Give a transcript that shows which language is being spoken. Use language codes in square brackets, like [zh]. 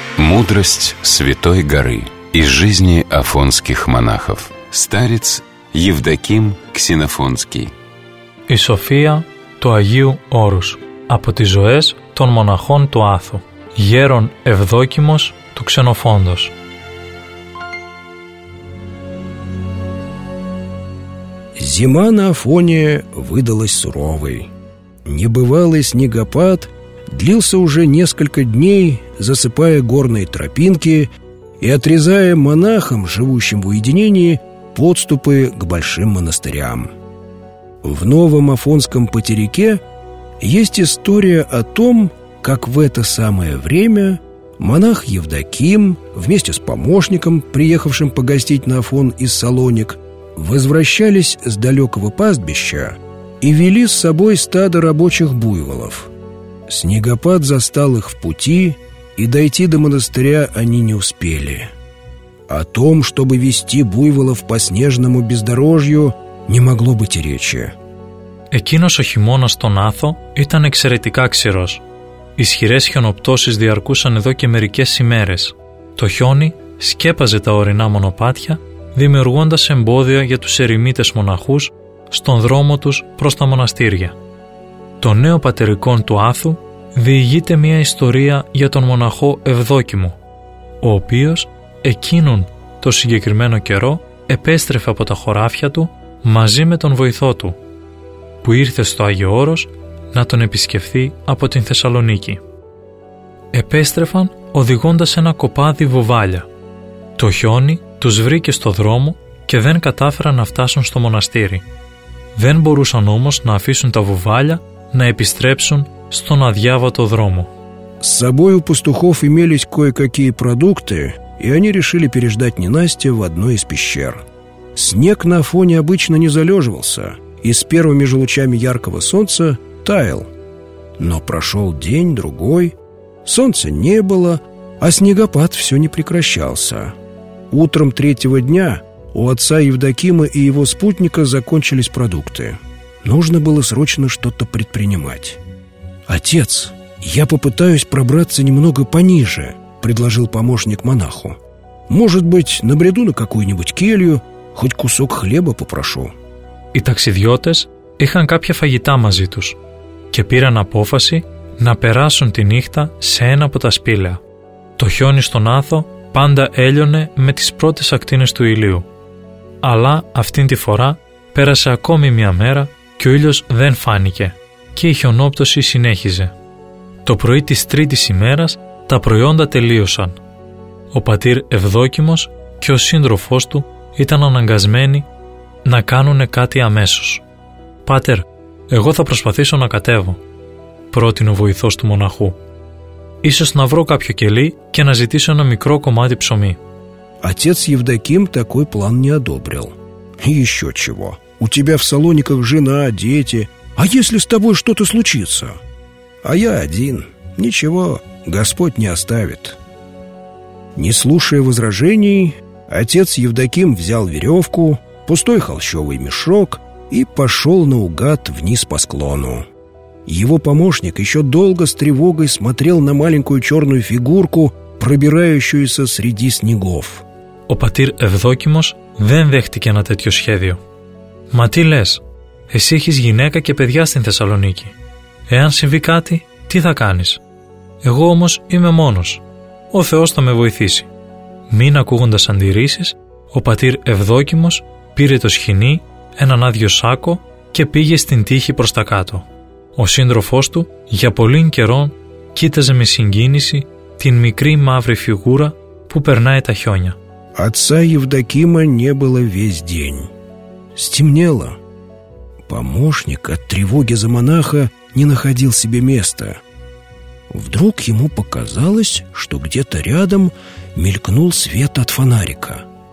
[ru] Мудрость Святой Горы из жизни афонских монахов. Старец Евдоким Ксенофонский. [el] И София του Αγίου Όρους από τις ζωές των μοναχών του Άθου. Γέρον Ευδόκιμος του Ξενοφόντος. [ru] Зима на Афоне выдалась суровой. Небывалый снегопад длился уже несколько дней, засыпая горные тропинки и отрезая монахам, живущим в уединении, подступы к большим монастырям. В новом афонском патерике есть история о том, как в это самое время монах Евдоким вместе с помощником, приехавшим погостить на Афон из Салоник, возвращались с далекого пастбища и вели с собой стадо рабочих буйволов. Снегопад застал их в пути, и дойти до монастыря они не успели. О том, чтобы вести буйволов по снежному бездорожью, не могло быть и речи. [el] Εκείνος ο χειμώνας στον Άθο ήταν εξαιρετικά ξηρός. Ισχυρές χιονοπτώσεις διαρκούσαν εδώ και μερικές ημέρες. Το χιόνι σκέπαζε τα ορεινά μονοπάτια, δημιουργώντας εμπόδια για τους ερημίτες μοναχούς στον δρόμο τους προς τα μοναστήρια. Το νέο πατερικόν του Άθου διηγείται μια ιστορία για τον μοναχό Ευδόκιμο, ο οποίος εκείνον το συγκεκριμένο καιρό επέστρεφε από τα χωράφια του μαζί με τον βοηθό του, που ήρθε στο Άγιο Όρος να τον επισκεφθεί από την Θεσσαλονίκη. Επέστρεφαν οδηγώντας ένα κοπάδι βουβάλια. Το χιόνι τους βρήκε στο δρόμο και δεν κατάφεραν να φτάσουν στο μοναστήρι. Δεν μπορούσαν όμως να αφήσουν τα βουβάλια να επιστρέψουν στον αδιάβατο δρόμο. [ru] С собой у пастухов имелись кое-какие продукты, и они решили переждать ненастье в одной из пещер. Снег на фоне обычно не залеживался и с первыми же лучами яркого солнца таял. Но прошел день, другой, солнца не было, а снегопад все не прекращался. Утром третьего дня у отца Евдокима и его спутника закончились продукты. Нужно было срочно что-то предпринимать. «Отец, я попытаюсь пробраться немного пониже», — предложил помощник монаху. «Может быть, набреду на какую-нибудь келью, хоть кусок хлеба попрошу». [el] И таксидиотес είχαν κάποια φαγητά мази тус, και πήραν απόφαση να περάσουν τη νύχτα σε ένα από τα σπήλαια. Το χιόνι στον Άθο πάντα έλειωνε με τις πρώτες ακτίνες του ηλίου. Αλλά αυτήν τη φορά πέρασε ακόμη μια μέρα και ο ήλιος δεν φάνηκε και η χιονόπτωση συνέχιζε. Το πρωί της τρίτης ημέρας τα προϊόντα τελείωσαν. Ο πατήρ Ευδόκιμος και ο σύντροφός του ήταν αναγκασμένοι να κάνουν κάτι αμέσως. «Πάτερ, εγώ θα προσπαθήσω να κατέβω», πρότεινε ο βοηθός του μοναχού. «Ίσως να βρω κάποιο κελί και να ζητήσω ένα μικρό κομμάτι ψωμί». [ru] Отец Евдоким такой план не одобрил. «Еще чего. У тебя в Салониках жена, дети. А если с тобой что-то случится? А я один. Ничего, Господь не оставит». Не слушая возражений, отец Евдоким взял веревку, пустой холщовый мешок и пошел наугад вниз по склону. Его помощник еще долго с тревогой смотрел на маленькую черную фигурку, пробирающуюся среди снегов. [el] Ο πατήρ Ευδόκιμος δεν δέχτηκε ένα τέτοιο σχέδιο. «Μα τι λες, εσύ έχεις γυναίκα και παιδιά στην Θεσσαλονίκη. Εάν συμβεί κάτι, τι θα κάνεις? Εγώ όμως είμαι μόνος. Ο Θεός θα με βοηθήσει». Μην ακούγοντας αντιρρήσεις, ο πατήρ Ευδόκιμος πήρε το σχοινί, έναν άδειο σάκο και πήγε στην τύχη προς τα κάτω. Ο σύντροφός του για πολύν καιρό κοίταζε με συγκίνηση την μικρή μαύρη φιγούρα που περνάει τα χιόνια. [ru] Отца Евдокима не было весь день. Стемнело. Помощник от тревоги за монаха не находил себе места. Вдруг ему показалось, что где-то рядом мелькнул свет от фонарика.